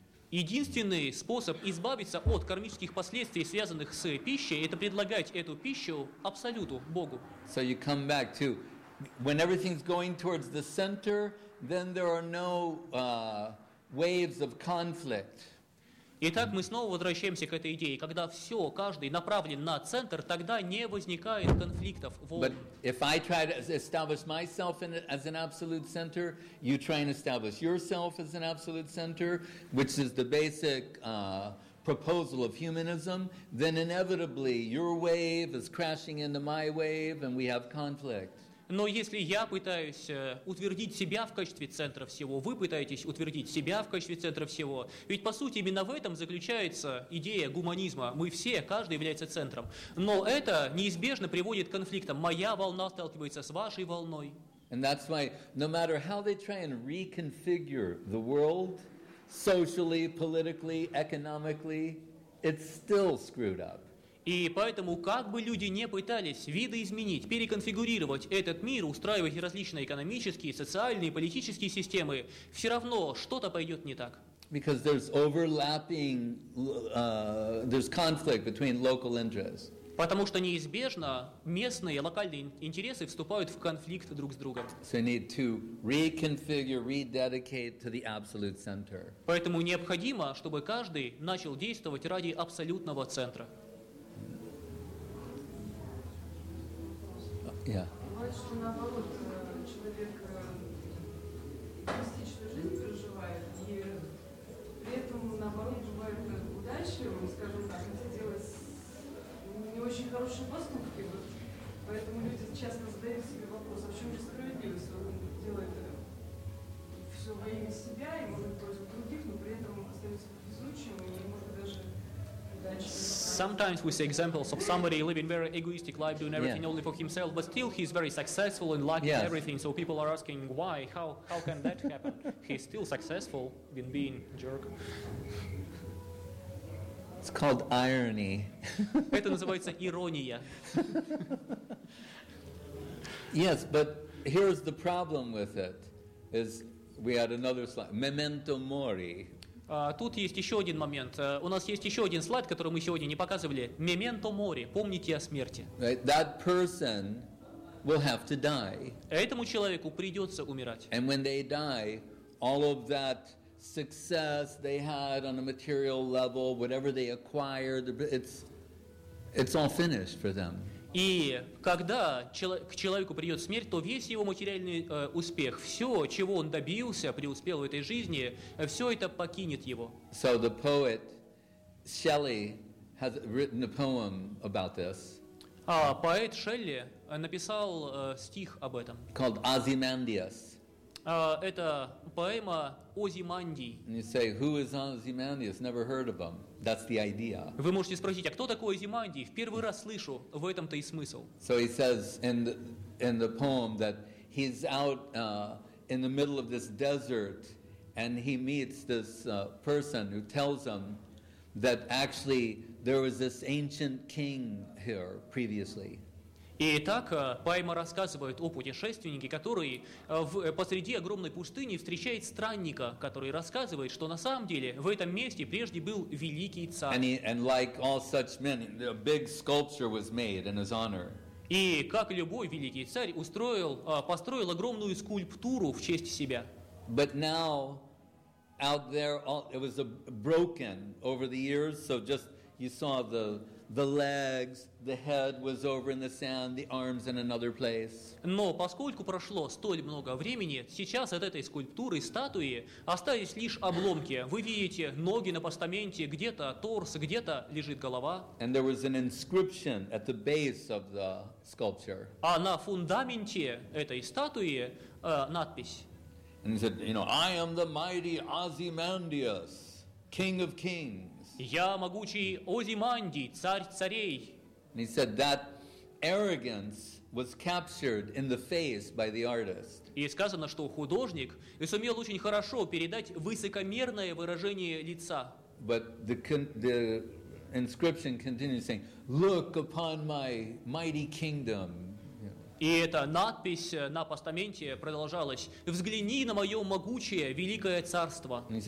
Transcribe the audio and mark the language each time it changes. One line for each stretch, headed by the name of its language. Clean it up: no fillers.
Russian: Единственный способ избавиться от кармических последствий, связанных с пищей, это предлагать эту пищу абсолюту Богу.
English: So you come back to when everything's going towards the center. Then there are no waves of conflict.
Russian: Итак, мы снова возвращаемся к этой идее, когда все, каждый направлен на центр, тогда не возникает конфликтов.
English: But if I try to establish myself as an absolute center, you try and establish yourself as an absolute center, which is the basic proposal of humanism, then inevitably your wave is crashing into my wave and we have conflict.
Russian: Но если я пытаюсь утвердить себя в качестве центра всего, вы пытаетесь утвердить себя в качестве центра всего. Ведь, по сути, именно в этом заключается идея гуманизма. Мы все, каждый является центром. Но это неизбежно приводит к конфликтам. Моя волна сталкивается с вашей волной.
English: And that's why, no matter how they try and reconfigure the world, socially, politically, economically, it's still screwed up.
Russian: И поэтому, как бы люди не пытались видоизменить, переконфигурировать этот мир, устраивать различные экономические, социальные, политические системы, все равно что-то пойдет не так.
English: Because there's overlapping, there's conflict between local interests.
Russian: Потому что неизбежно местные, локальные интересы вступают в конфликт друг с другом.
English: So you need to reconfigure, rededicate to the absolute center.
Russian: Поэтому необходимо, чтобы каждый начал действовать ради абсолютного центра.
English: Yeah.
Russian: Бывает, что наоборот, человек эгоистичную жизнь проживает, и при этом, наоборот, бывает удача, скажем так, хотя делать не очень хорошие поступки, вот, поэтому люди часто задают себе вопрос, а в чем же справедливость? Он делает все во имя себя и может пользу других, но при этом остается везучим и может даже...
English: Sometimes we see examples of somebody living very egoistic life, doing everything only for himself, but still he's very successful and lucky and everything. So people are asking why, how can that happen? He's still successful in being a jerk. It's called irony.
Russian: Это называется ирония.
English: Yes, but here's the problem with it. Is we had another slide, memento mori.
Russian: Тут есть еще один момент. У нас есть еще один слайд, который мы сегодня не показывали.
Latin: Memento mori.
Russian: Помните о смерти.
English: Right? That person will have to die.
Russian: Этому человеку придется умирать.
English: And when they die, all of that success they had on a material level, whatever they acquired, it's all finished for them.
Russian: И когда к человеку придет смерть, то весь его материальный успех, все, чего он добился, преуспел в этой жизни, все это покинет его.
English: So the poet Shelley has written a poem about this.
Russian: А поэт Шелли написал стих об этом.
English: Called Ozymandias.
Russian: Это поэма Озимандий.
English: And you say, who is Ozymandias? Never heard of him. That's the idea.
Russian: Вы можете спросить, а кто такой Озимандий? В первый раз слышу, в этом-то и смысл.
English: So he says in the poem that he's out in the middle of this desert and he meets this person who tells him that actually there was this ancient king here previously.
Russian: И так поэма рассказывает о путешественнике, который посреди огромной пустыни встречает странника, который рассказывает, что на самом деле в этом месте прежде был великий царь.
English: And like all such men, a big sculpture was made in his honor.
Russian: И как любой великий царь построил огромную скульптуру в честь себя.
English: But now, out there, it was broken over the years, so just you saw the legs, the head was over in the sand, the arms in another place.
Russian: Но поскольку прошло столь много времени, сейчас от этой скульптуры, статуи, остались лишь обломки. Вы видите ноги на постаменте, где-то торс, где-то лежит голова.
English: And there was an inscription at the base of the sculpture.
Russian: А на фундаменте этой статуи надпись.
English: And he said, you know, I am the mighty Ozymandias, king of kings.
Russian: Я могучий Озимандий, царь царей.
English: And he said that arrogance was captured in the face by the artist.
Russian: И сказано, что художник сумел очень хорошо передать высокомерное выражение лица.
English: But the inscription continues saying, "Look upon my mighty kingdom."
Russian: И эта надпись на постаменте продолжалась: «Взгляни на мое могучее, великое царство».